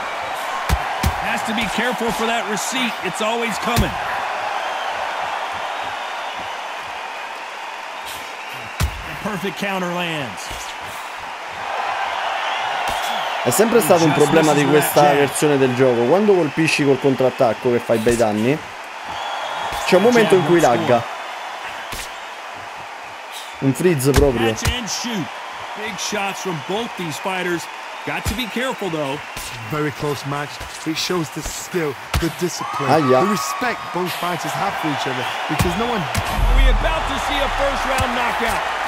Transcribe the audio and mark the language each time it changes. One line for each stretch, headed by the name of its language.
English: Has to be careful for that receipt. It's always coming. A perfect counter lands.
Italian: È sempre stato un problema di questa versione del gioco. Quando colpisci col contrattacco che fai bei danni, c'è un momento in cui lagga. Un freeze proprio.
English: Big shots from both these fighters. Got to be careful though. Very close match. It shows the skill, the discipline, aia, the respect both fighters have for each other. Because no one. Are we about to see a first round knockout?